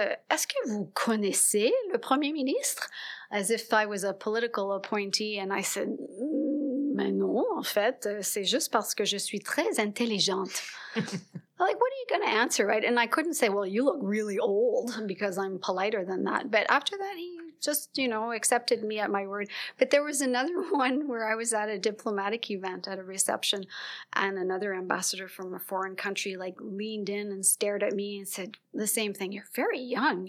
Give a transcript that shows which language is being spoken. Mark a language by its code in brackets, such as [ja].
[fr] Est-ce que vous connaissez le premier ministre? [en] As if I was a political appointee. And I said, [fr] mais non, en fait, c'est juste parce que je suis très intelligente. [en] Like, what are you going to answer, right? And I couldn't say, well, you look really old, because I'm politer than that. But after that, he just, you know, accepted me at my word. But there was another one where I was at a diplomatic event at a reception, and another ambassador from a foreign country, like, leaned in and stared at me and said the same thing. You're very young.